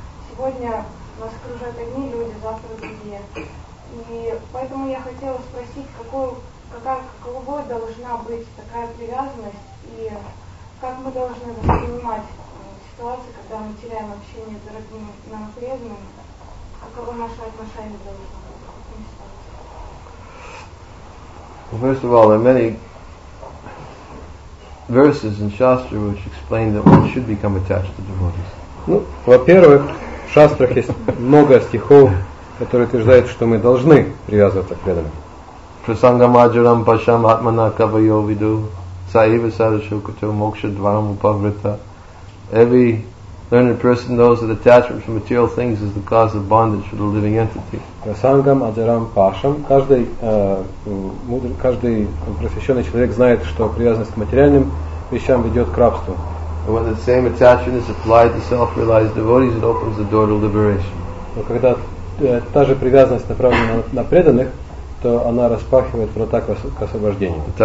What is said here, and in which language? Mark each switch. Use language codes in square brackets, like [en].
[ru] Сегодня нас окружают одни люди, завтра другие. И поэтому я хотела спросить, каково должна быть такая привязанность и как мы должны воспринимать ситуацию, когда мы теряем общение с дорогими нам преданными, каково наше отношение должно быть. [en] First of all, there are many verses in Shastra which explain that one should become attached to devotees. [ru] Ну, во-первых, в шастрах есть много стихов, который утверждает, что мы должны привязываться к преданным. [sa] Прасангамаджарам пашам атмана кавайо виду саива сарашукату мокша дварам упаврита. [en] Every learned person knows that attachment from material things is the cause of bondage for the living entity. [sa] Прасангам аджарам пашам. [ru] Каждый просвещенный человек знает, что привязанность к материальным вещам ведет к рабству. [en] And when the same attachment is applied to self-realized devotees, it opens the door to liberation. [ru] Та же привязанность направлена на преданных, то она распахивает врата к освобождению.